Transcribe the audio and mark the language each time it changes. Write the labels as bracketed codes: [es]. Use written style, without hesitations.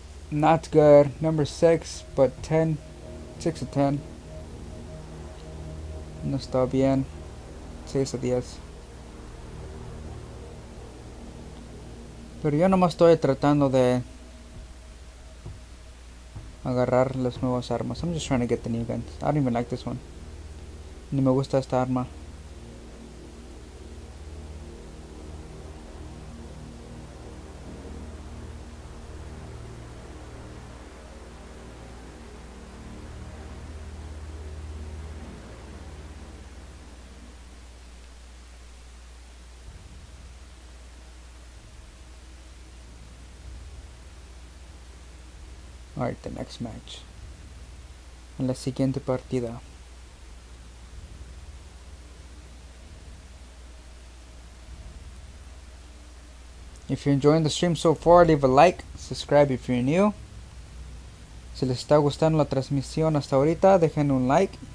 [en] Not good. Number 6, but 10. 6 of 10. [es] No está bien. 6 of 10. Pero yo nomás estoy tratando de agarrar las nuevas armas. [en] I'm just trying to get the new guns. I don't even like this one. [es] Ni me gusta esta arma. [en] Alright, the next match. [es] En la siguiente partida. [en] If you're enjoying the stream so far, leave a like. Subscribe if you're new. [es] Si les está gustando la transmisión hasta ahorita, dejen un like.